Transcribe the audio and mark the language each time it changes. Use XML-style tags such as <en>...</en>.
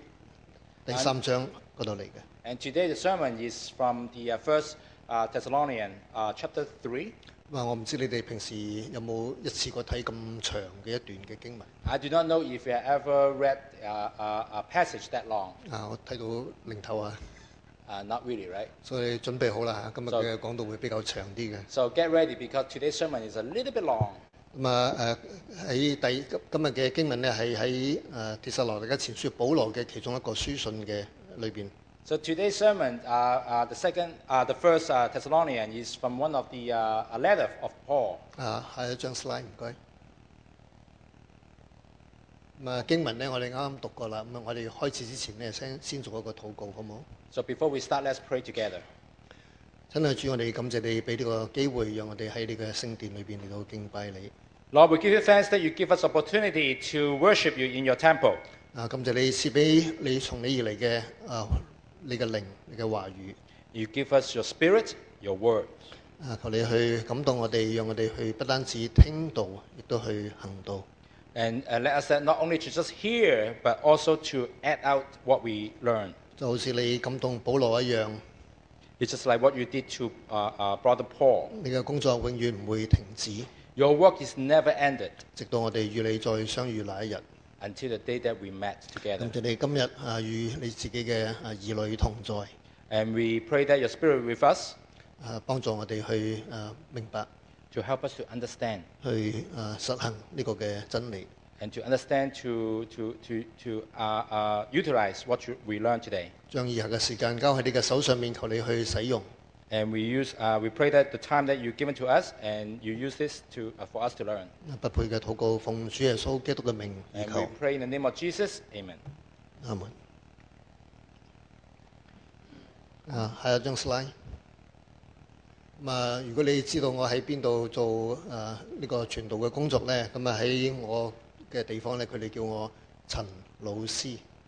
<zh>今天我們講道的經文是從《帖撒羅尼迦前書》第三章那裡來的。</zh> <en>And today the sermon is from the 1st Thessalonians chapter 3.</en> <zh>我不知道你們平時有沒有一次過看這麼長的一段經文。</zh> <en>I do not know if you ever read a passage that long.</en> <zh>我看到零頭啊。</zh> <en>Not really, right?</en> <zh>所以準備好了,今天的講道會比較長一點。</zh> <en>So get ready, because today's sermon is a little bit long.</en> <zh>今天的經文是在《帖撒羅尼迦前書》保羅的其中一個書信裡面。</zh> <en>So today's sermon, the first Thessalonians is from one of the letters of Paul.</en> <zh>下一張slide,麻煩。經文呢我們剛剛讀過了，我們開始之前呢 先做一個禱告好嗎？</zh> <en>So before we start, let's pray together.</en> <zh>親愛主，我們感謝你給這個機會，讓我們在你的聖殿裡面來敬拜你。</zh> <en>Lord, we give you thanks that you give us opportunity to worship you in your temple.</en> <zh>感謝你賜給你從你而來的你的靈，你的話語。</zh> <en>You give us your spirit, your word.</en> <zh>求你去感動我們，讓我們去不單止聽道，也都去行道。</zh> <en>And let us not only to just hear, but also to add out what we learn.</en> <zh>就好似你感動保羅一樣。</zh> <en>It's just like what you did to Brother Paul.</en> <zh>你的工作永遠不會停止。</zh> <en>Your work is never ended.</en> <zh>直到我們與你再相遇那一日。</zh> <en>Until the day that we met together.</en> <zh>感謝你今日與你自己的兒女同在。</zh> <en>And we pray that your spirit with us.</en> <zh>幫助我們去明白。</zh> <en>To help us to understand,</en> <zh>去實行呢個嘅真理</zh> <en>，and to understand utilize what we learn today.</en> <zh>將以下嘅時間交喺你嘅手上面，求你去使用。</zh> <en>And we pray that the time that you've given to us, and you use this for us to learn.</en> <zh>不配嘅禱告，奉主耶穌基督嘅名而求。</zh> <en>And we pray in the name of Jesus, Amen. Amen.</en> <zh>下一張 slide。如果你知道我在哪裡做這個傳道的工作呢，那在我的地方呢，他們叫我陳老師。</zh>